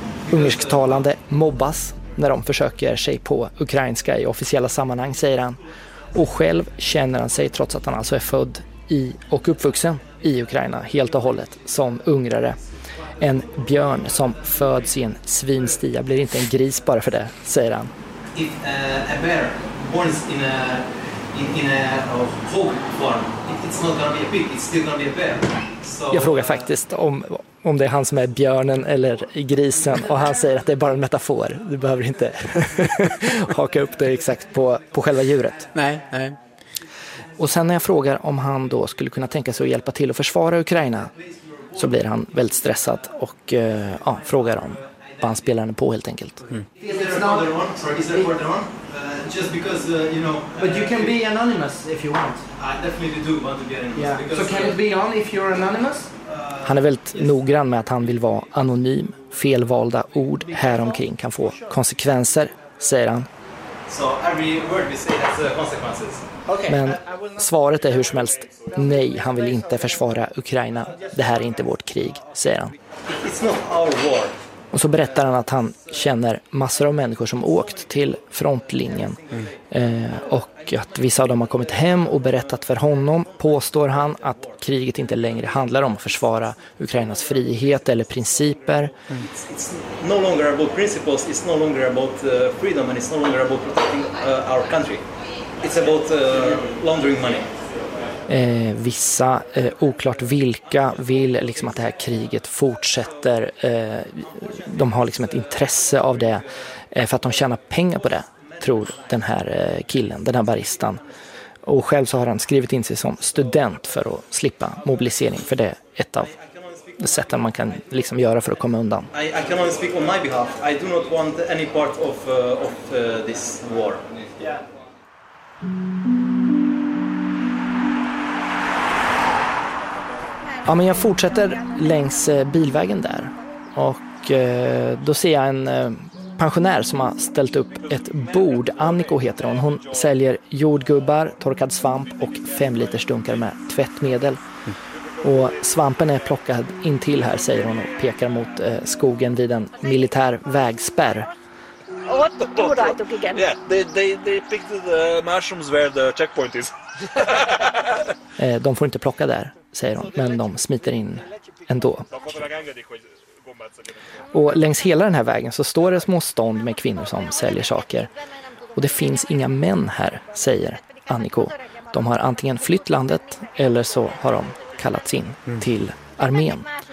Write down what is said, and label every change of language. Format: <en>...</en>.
<sv>Ungersktalande mobbas när de försöker sig på ukrainska i officiella sammanhang, säger han. Och själv känner han sig, trots att han alltså är född i och uppvuxen i Ukraina helt och hållet som ungrare. En björn som föds i en svinstia blir inte en gris bara för det, säger han.</sv> <en>If a bear born in a hog farm, it's not gonna be a pig, it's still gonna be a bear. So,</en> <sv>jag frågar faktiskt om det är han som är björnen eller grisen och han säger att det är bara en metafor. Du behöver inte haka upp det exakt på själva djuret. Nej, nej. Och sen när jag frågar om han då skulle kunna tänka sig att hjälpa till att försvara Ukraina så blir han väldigt stressad och frågar om bandspelaren är på helt enkelt.</sv> <en>Is there another one? Sorry, is there another one? Just because, you know... But you can be anonymous if you want. I definitely do want to be anonymous. Yeah. Because, so can it be on if you're anonymous?</en> <sv>Han är väldigt noggrann med att han vill vara anonym. Felvalda ord häromkring kan få konsekvenser, säger han.</sv> <en>So every word we say has consequences.</en> <sv>Men svaret är hur som helst nej, han vill inte försvara Ukraina. Det här är inte vårt krig, säger han. Och så berättar han att han känner massor av människor som åkt till frontlinjen. Och att vissa av dem har kommit hem och berättat för honom, påstår han, att kriget inte längre handlar om att försvara Ukrainas frihet eller principer.</sv> <en>It's no longer about principles, it's no longer about freedom and it's no longer about protecting our country. It's about laundering money.</en> <sv>Vissa, oklart vilka, vill liksom att det här kriget fortsätter. De har liksom ett intresse av det för att de tjänar pengar på det, tror den här killen, den här baristan. Och själv så har han skrivit in sig som student för att slippa mobilisering, för det är ett av sätten man kan liksom göra för att komma undan.</sv> <en>I can only speak on my behalf. I do not want any part of this war. Yeah.</en> <sv>Ja, men jag fortsätter längs bilvägen där och då ser jag en pensionär som har ställt upp ett bord. Anniko heter hon. Hon säljer jordgubbar, torkad svamp och 5 liters dunkar med tvättmedel. Och svampen är plockad in till här, säger hon, och pekar mot skogen vid en militär vägspärr.</sv> <en>What the door I took again? Yeah, they picked the mushrooms where the checkpoint is.</en> <sv>De får inte plocka där, säger hon, men de smiter in ändå. Och längs hela den här vägen så står det små stånd med kvinnor som säljer saker. Och det finns inga män här, säger Anniko. De har antingen flytt landet eller så har de kallats in till armén.</sv>